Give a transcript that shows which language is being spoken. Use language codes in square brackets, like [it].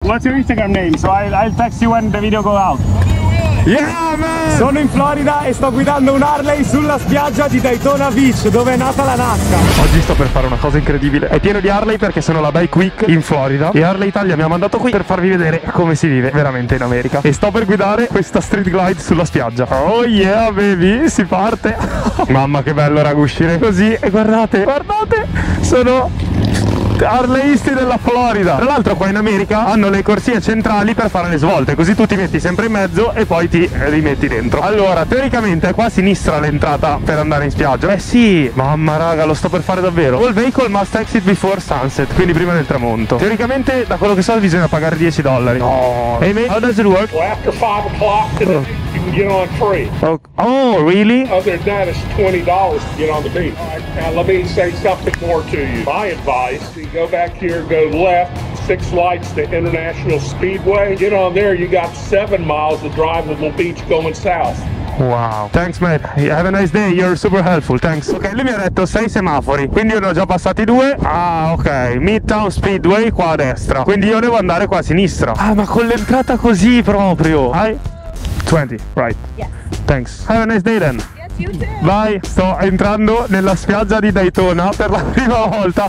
[en] What's your Instagram name? So I'll text you when the video goes out. Yeah, man! [it] Sono in Florida e sto guidando un Harley sulla spiaggia di Daytona Beach, dove è nata la NASCAR. Oggi sto per fare una cosa incredibile. È pieno di Harley perché sono la Bike Week in Florida e Harley Italia mi ha mandato qui per farvi vedere come si vive veramente in America. E sto per guidare questa street glide sulla spiaggia. [en] Oh yeah, baby, [it] si parte. Mamma che bello, raga, uscire così. E guardate, guardate, sono Harleyisti della Florida. Tra l'altro qua in America hanno le corsie centrali per fare le svolte, così tu ti metti sempre in mezzo e poi ti rimetti dentro. Allora, teoricamente è qua a sinistra l'entrata per andare in spiaggia. Eh sì, mamma raga, lo sto per fare davvero. [en] All vehicle must exit before sunset, [it] quindi prima del tramonto. Teoricamente, da quello che so, bisogna pagare $10. No. [en] Hey mate, how does it work? Well, after 5 o'clock you can get on free. Oh, oh really? Other than that, it's $20 to get on the beach. All right, now let me say something more to you. My advice, you go back here, go left, 6 lights to International Speedway. Get on there, you got 7 miles of drivable beach going south. Wow, thanks mate, have a nice day, you're super helpful, thanks. [it] Ok, lui mi ha detto 6 semafori, quindi io ne ho già passati 2. Ah, ok, Midtown Speedway qua a destra, quindi io devo andare qua a sinistra. Ah, ma con l'entrata così proprio. Hai 20, right? [en] Yes. Thanks. Have a nice day then. [it] Vai, sto entrando nella spiaggia di Daytona per la prima volta.